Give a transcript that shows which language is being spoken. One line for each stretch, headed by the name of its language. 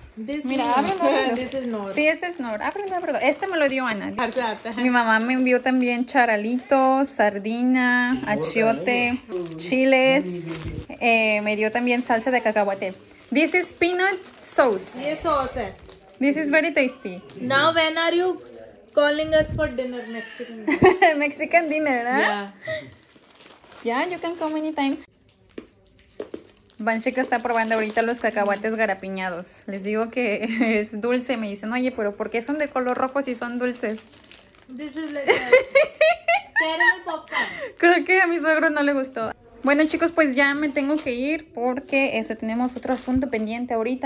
Spanish: Mira, ábrelo. Sí, ese es Nor. Ábrelo, ábrelo. Este me lo dio Ana. Mi mamá me envió también charalito, sardina, achiote, chiles. Me dio también salsa de cacahuate.
English: This is peanut sauce. Yes, sauce. This is very tasty. Now, when are you calling us for dinner, Mexican? Mexican dinner, ¿eh? Yeah. Yeah, you can come anytime.
Spanish: Banchica está probando ahorita los cacahuates garapiñados. Les digo que es dulce. Me dicen, oye, pero ¿por qué son de color rojo si son dulces?
English: This is like popcorn.
Spanish: Creo que a mi suegro no le gustó. Bueno, chicos, pues ya me tengo que ir porque tenemos otro asunto pendiente ahorita.